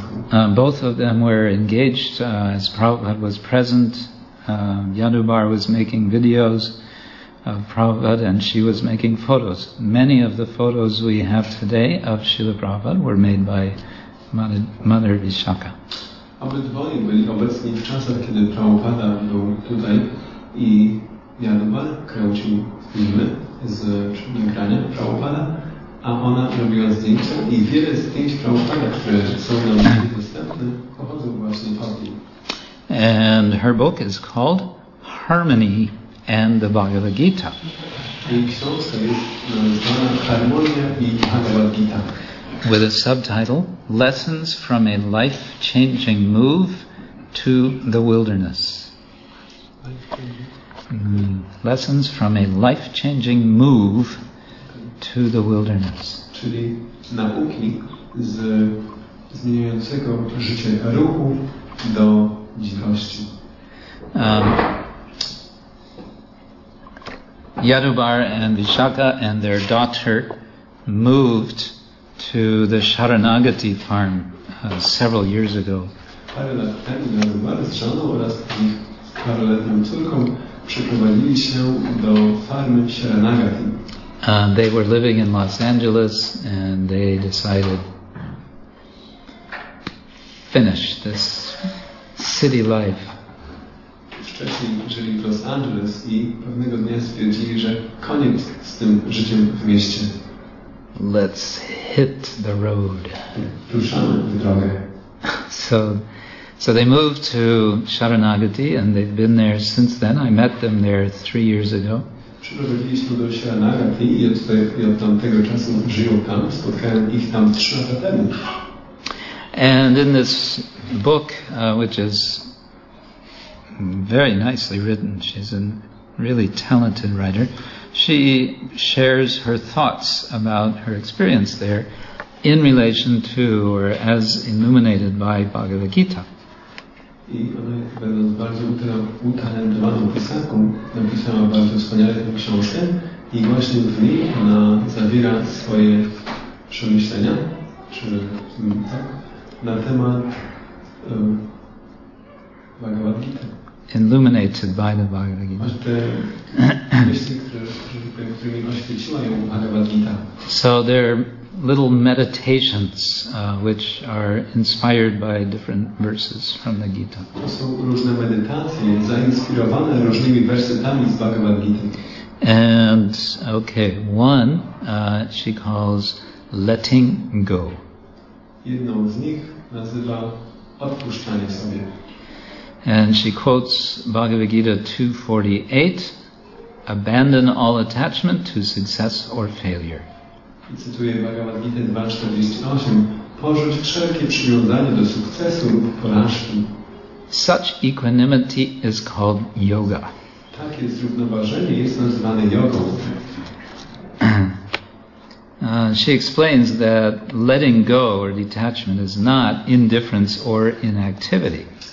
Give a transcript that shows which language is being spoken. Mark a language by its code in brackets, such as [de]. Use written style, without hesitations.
[en] Both of them were engaged as Prabhupada was present. Yadubar was making videos of Prabhupada and she was making photos. Many of the photos we have today of Srila Prabhupada were made by Mother Vishakha. [pl] Obydwoje byli obecni w czasach, kiedy Prabhupada był tutaj i Yadubar kręcił filmy z nagrania Prabhupada. A ona robiła zdjęcia i wiele zdjęć Prabhupada, które są na mnie dostępne, pochodzą właśnie z tej. [en] And her book is called Harmony and the Bhagavad Gita. [pl] I książka jest nazwana Harmonia i Bhagavad Gita. [en] With a subtitle, Lessons from a Life-Changing Move to the Wilderness. Lessons from a Life-Changing Move to the wilderness. [pl] Czyli nauki z zmieniającego życie ruchu do dzikości. [en] Yadubar and Vishakha and their daughter moved to the Sharanagati farm several years ago. [pl] Parę lat temu Yadubar z żoną oraz ich paroletnią córką przeprowadzili się do farmy Sharanagati. [en] They were living in Los Angeles and they decided finish this city life. [pl] Wcześniej żyli w Los Angeles i pewnego dnia stwierdzili, że koniec z tym życiem w mieście. [en] Let's hit the road. [pl] Ruszamy w drogę. [en] So they moved to Sharanagati and they've been there since then. I met them there 3 years ago. [pl] Przyprowadziliśmy do Sharanagati i od tamtego czasu żyją tam. Spotkałem ich tam 3 lata temu. [en] And in this book, which is very nicely written, she's a really talented writer, she shares her thoughts about her experience there in relation to or as illuminated by Bhagavad Gita. [pl] I ona, będąc bardzo utalentowaną pisarką, napisała bardzo wspaniale tę książkę i właśnie w niej ona zawiera swoje przemyślenia, czy tak, na temat Bhagavad Gita. [en] Illuminated by the Bhagavad Gita. [pl] Te myśli, którymi oświeciła ją Bhagavad Gita. [en] So there are little meditations which are inspired by different verses from the Gita. [pl] To są różne medytacje zainspirowane różnymi wersetami z Bhagavad Gita. [en] And okay, one she calls letting go. [pl] Jedną z nich nazywa odpuszczanie sobie. [en] And she quotes Bhagavad Gita 2:48, abandon all attachment to success or failure. [pl] I cytuję Bhagavad Gita 2:48, porzuć wszelkie przywiązanie do sukcesu lub porażki. [en] Such equanimity is called yoga. [pl] Takie zrównoważenie jest nazywane jogą. [en] She explains that letting go or detachment is not indifference or inactivity.